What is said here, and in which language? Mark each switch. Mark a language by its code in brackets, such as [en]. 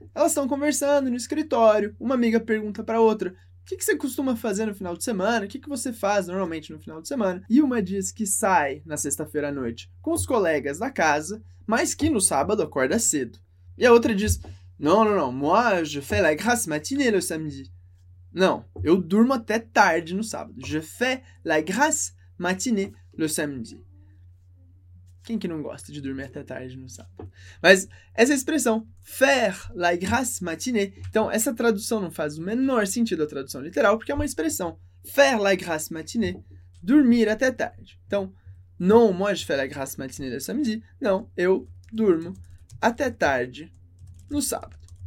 [pt] Elas estão conversando no escritório, uma amiga pergunta para outra, o que você costuma fazer no final de semana? O que você faz normalmente no final de semana? E uma diz que sai na sexta-feira à noite com os colegas da casa, mas que no sábado acorda cedo. E a outra diz, não, não, não, [fr] moi je fais la grasse matinée le samedi. [pt] Não, eu durmo até tarde no sábado. [fr] Je fais la grasse matinée le samedi. [pt] Quem que não gosta de dormir até tarde no sábado? Mas essa expressão, [fr] faire la grasse matinée, [pt] então essa tradução não faz o menor sentido à tradução literal, porque é uma expressão, faire la grasse matinée, dormir até tarde. Então, [fr] non, moi je fais la grasse matinée le samedi, [pt] não, eu durmo até tarde no sábado.